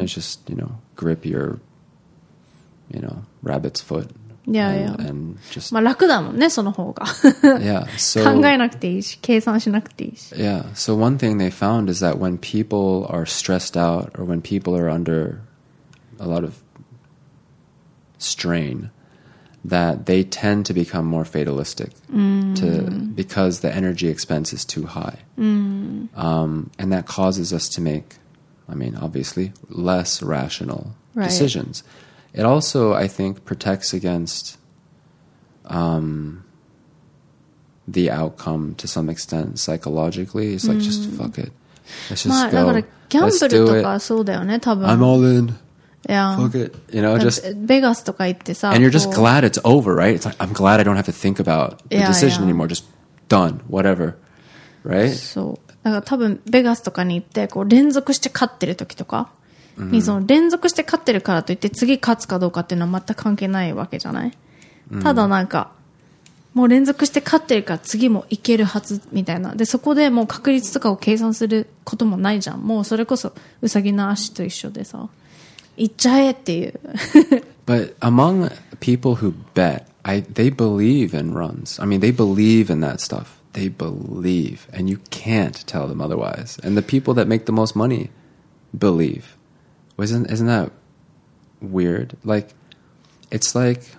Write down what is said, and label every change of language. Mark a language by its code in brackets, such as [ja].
[en] It's just, you know, grip your, you know, rabbit's foot. Yeah, and, yeah. And just... [ja] まあ楽だもんね、その方が。 [en] Yeah, so... [ja] 考えなくていいし、計算しなくていいし。 [en] Yeah, so one thing they found is that when people are stressed out or when people are under a lot of strain, that they tend to become more fatalistic to, because the energy expense is too high. And that causes us to make, I mean, obviously, less rational decisions. It also, I think, protects against the outcome to some extent psychologically. It's like, just fuck it. Let's just go. Let's do it. I'm all in. Yeah. Fuck it. You know, just... [ja] Vegas とか行ってさ、 [en] and you're just glad it's over, right? It's like, I'm glad I don't have to think about the decision anymore. Just done. Whatever. Right? [ja] そう。だから多分、ベガスとかに行って、こう、連続して勝ってる時とか、にその連続して勝ってるからといって次勝つかどうかっていうのは全く関係ないわけじゃない、mm-hmm. ただなんかもう連続して勝ってるから次もいけるはずみたいなでそこでもう確率とかを計算することもないじゃんもうそれこそウサギの足と一緒でさ行っちゃえっていう [en] But among people who bet they believe in runs I mean they believe in that stuff They believe and you can't tell them otherwise And the people that make the most money believeIsn't that weird? Like, it's like...